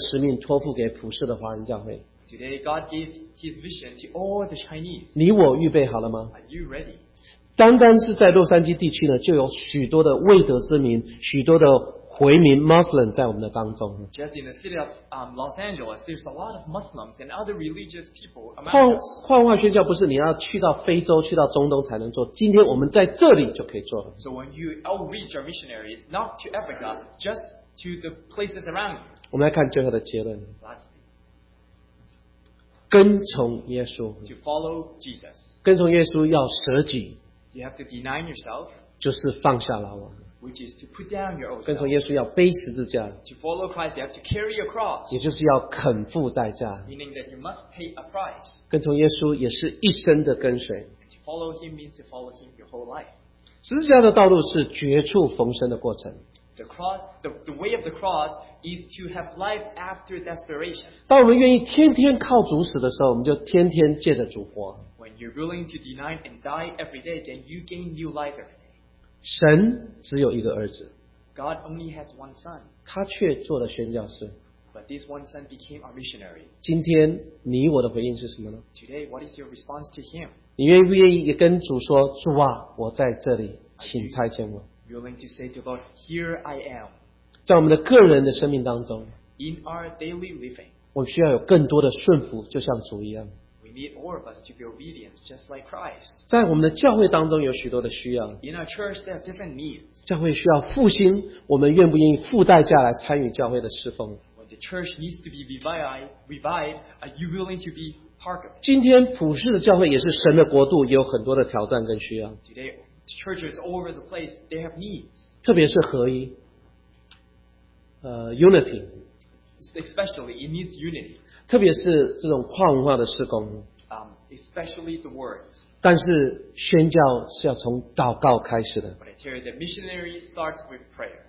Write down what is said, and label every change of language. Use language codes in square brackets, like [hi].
[zh] 今天神也把这样的使命托付给普世的华人教会。 [en] Today God gave His vision to all the Chinese. [zh] 你我预备好了吗? [en] Are you ready? [zh] 单单是在洛杉矶地区呢, 就有许多的未得之民, 许多的回民 Muslim 在我们的当中。 [en] Just in the city of Los Angeles, there's a lot of Muslims and other religious people among us. [zh] 矿化宣教不是你要去到非洲, 去到中东才能做, 今天我们在这里就可以做。 [en] So when you outreach our missionaries, not to Africa, just to the places around you. [zh] 我们来看最后的结论。 [en] Lastly, [zh] 跟从耶稣。 [en] To follow Jesus. [zh] 跟从耶稣要舍己。 [en] You have to deny yourself. [zh] 就是放下了我。 [en] Which is to put down your own. [zh] 跟从耶稣要背十字架, [en] to follow Christ, you have to carry a cross. [zh] 也就是要肯付代价, [en] meaning that you must pay a price. [zh] 跟从耶稣也是一生的跟随, [en] to follow him means to follow him your whole life. [zh] 十字架的道路是绝处逢生的过程, [en] the cross, the way of the cross is to have life after desperation. [zh] 当我们愿意天天靠主死的时候, 我们就天天借着主活。 [en] When you're willing to deny and die every day, then you gain new life every day. [zh] 神只有一个儿子, [en] God only has one son, [zh] 他却做了宣教士, [en] but this one son became our missionary. [zh] 今天你我的回应是什么呢? [en] Today, what is your response to him? [zh] 你愿不愿意也跟主说, 主啊, 我在这里, 请差遣我。 [en] willing to say to God, "Here I am." [zh] 在我们的个人的生命当中 [en] ，in our daily living， [zh] 我需要有更多的顺服，就像主一样。 [en] We need all of us to be obedient, just like Christ. [zh] 在我们的教会当中有许多的需要。 [en] In our church, there are different needs. [zh] 教会需要复兴，我们愿不愿意付代价来参与教会的侍奉 [en] ？When the church needs to be revived, are you willing to be part of it? [zh] 今天普世的教会也是神的国度，也有很多的挑战跟需要。 [en] Today, churches all over the place, they have needs. [zh] 特别是合一。Unity. [en] Especially, it needs unity. [zh] 特别是这种跨文化的事工。 [en] Especially the words. [zh] 但是宣教是要从祷告开始的。 [en] But I tell you, the missionary starts with prayer.